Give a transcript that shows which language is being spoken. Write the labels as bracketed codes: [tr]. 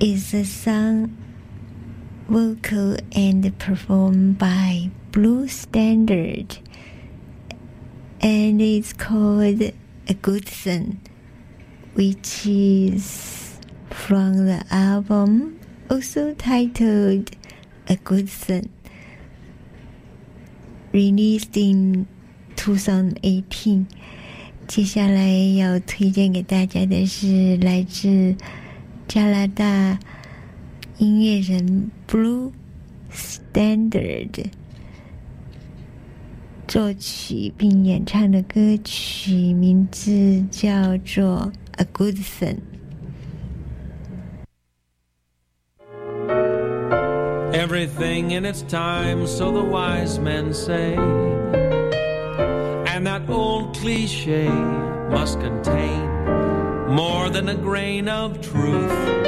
[en] The song vocal and performed by Blue Standard, and it's called A Good Thing, which is from the album also titled A Good Thing, released in 2018. [zh] 接下来要推荐给大家的是来自加拿大音乐人 Blue Standard 作曲并演唱的歌曲，名字叫做 A Good Thing。 [en] Everything in its time, so the wise men say, and that old cliche must contain more than a grain of truth.